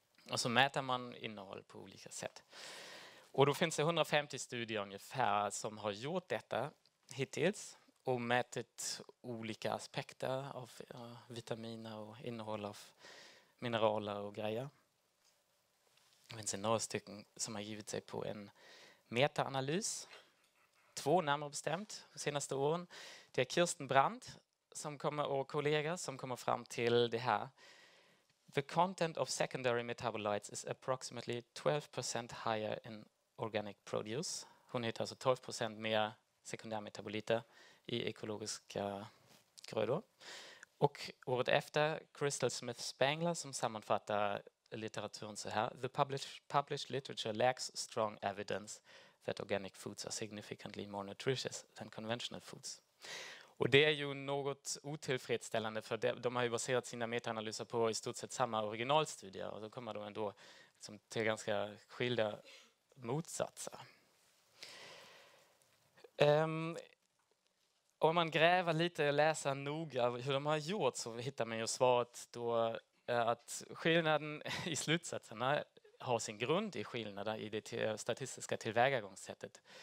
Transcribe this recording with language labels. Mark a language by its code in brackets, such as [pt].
[sv] Och så mäter man innehåll på olika sätt. Och då finns det 150 studier ungefär som har gjort detta hittills och mätit olika aspekter av vitaminer och innehåll av mineraler och grejer. Det finns några stycken som har givit sig på en metaanalys. Två närmare bestämt de senaste åren. Det är Kirsten Brandt som kommer, och kollegor som kommer fram till det här. [en] The content of secondary metabolites is approximately 12% higher in organic produce. [sv] Hon heter alltså 12% mer sekundär metaboliter i ekologiska grödor. Och året efter, Crystal Smith-Spangler som sammanfattar litteraturen så här. [en] The published literature lacks strong evidence that organic foods are significantly more nutritious than conventional foods. [sv] Och det är ju något otillfredsställande, för de har ju baserat sina metaanalyser på i stort sett samma originalstudier, och då kommer de ändå liksom till ganska skilda motsatser. Och om man gräver lite och läser noga hur de har gjort så hittar man ju svaret då att skillnaden i slutsatserna har sin grund i skillnaden i det statistiska tillvägagångssättet.